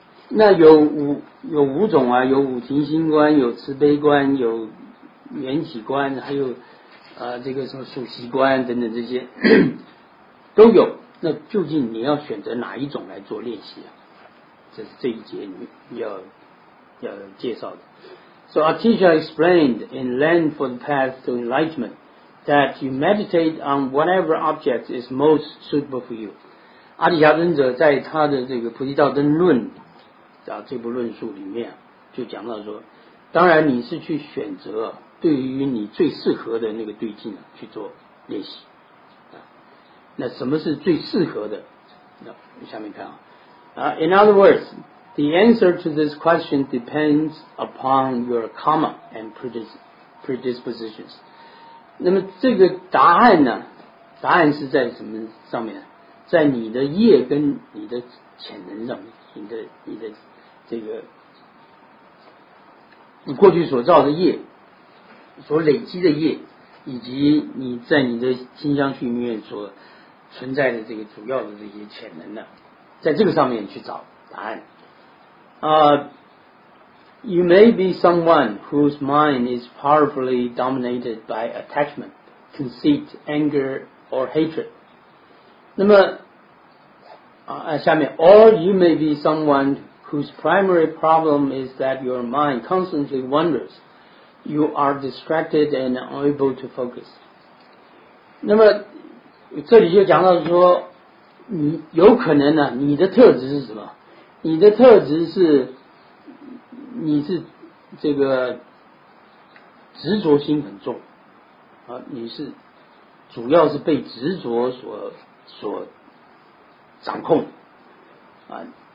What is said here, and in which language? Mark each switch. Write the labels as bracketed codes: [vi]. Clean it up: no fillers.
[zh] 那有五种啊，有五停心观，有慈悲观，有缘起观，还有这个什么数息观等等，这些都有。那究竟你要选择哪一种来做练习啊？这是这一节你要介绍的。 [en] So our teacher explained in Land for the Path to Enlightenment that you meditate on whatever object is most suitable for you。 [zh] 阿底峡尊者在他的这个菩提道灯论这部论述里面就讲到说，当然你是去选择对于你最适合的那个对境去做练习。那什么是最适合的？那下面看啊。 [en] In other words, the answer to this question depends upon your karma and predispositions. [zh] 那么这个答案呢，答案是在什么上面？在你的业跟你的潜能上面，你的这个你过去所造的业，所累积的业，以及你在你的心相续里面所存在的这个主要的这些潜能呢，在这个上面去找答案。 [en] You may be someone whose mind is powerfully dominated by attachment, conceit, anger, or hatred. [zh] 那么下面 [en] Or you may be someone whose primary problem is that your mind constantly wanders, you are distracted and unable to focus. [zh] 那么这里就讲到说，你有可能呢、啊，你的特质是什么？你的特质是你是这个执着心很重啊，你是主要是被执着所掌控啊。